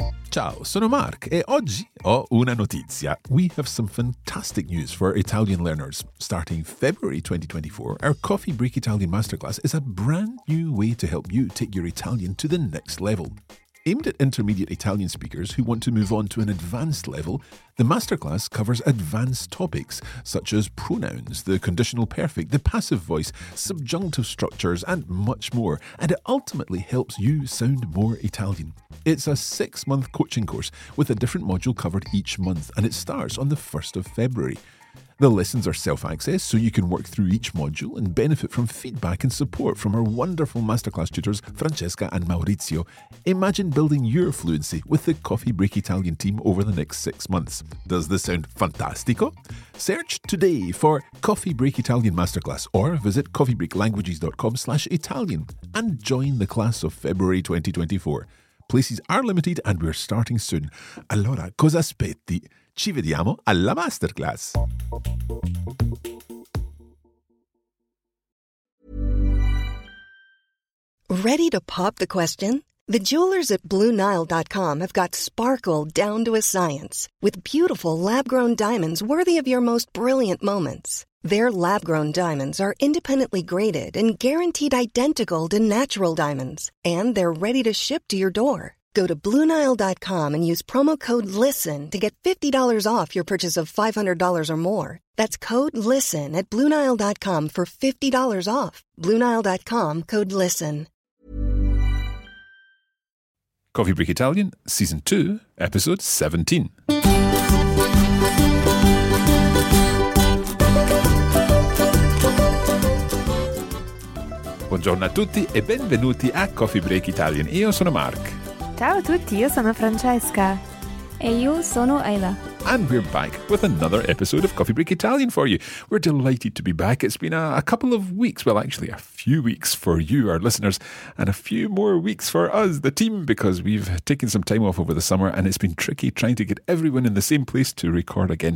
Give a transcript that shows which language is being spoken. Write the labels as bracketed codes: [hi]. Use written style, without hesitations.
[it] Ciao, sono Mark e oggi ho una notizia. [en] We have some fantastic news for Italian learners. Starting February 2024, our Coffee Break Italian Masterclass is a brand new way to help you take your Italian to the next level. Aimed at intermediate Italian speakers who want to move on to an advanced level, the masterclass covers advanced topics such as pronouns, the conditional perfect, the passive voice, subjunctive structures, and much more, and it ultimately helps you sound more Italian. It's a six-month coaching course with a different module covered each month, and it starts on the 1st of February. The lessons are self-access, so you can work through each module and benefit from feedback and support from our wonderful masterclass tutors, Francesca and Maurizio. Imagine building your fluency with the Coffee Break Italian team over the next 6 months. Does this sound fantastico? Search today for Coffee Break Italian Masterclass or visit coffeebreaklanguages.com/Italian and join the class of February 2024. Places are limited and we're starting soon. [it] Allora, cosa aspetti? Ci vediamo alla masterclass. [en] Ready to pop the question? The jewelers at BlueNile.com have got sparkle down to a science with beautiful lab-grown diamonds worthy of your most brilliant moments. Their lab-grown diamonds are independently graded and guaranteed identical to natural diamonds, and they're ready to ship to your door. Go to BlueNile.com and use promo code LISTEN to get $50 off your purchase of $500 or more. That's code LISTEN at BlueNile.com for $50 off. BlueNile.com, code LISTEN. Coffee Break Italian, Season 2, Episode 17. [it] Buongiorno a tutti e benvenuti a Coffee Break Italian. Io sono Mark. Ciao a tutti, io sono Francesca. E io sono Ayla. [en] And we're back with another episode of Coffee Break Italian for you. We're delighted to be back. It's been a couple of weeks, well, actually a few weeks for you, our listeners, and a few more weeks for us, the team, because we've taken some time off over the summer and it's been tricky trying to get everyone in the same place to record again.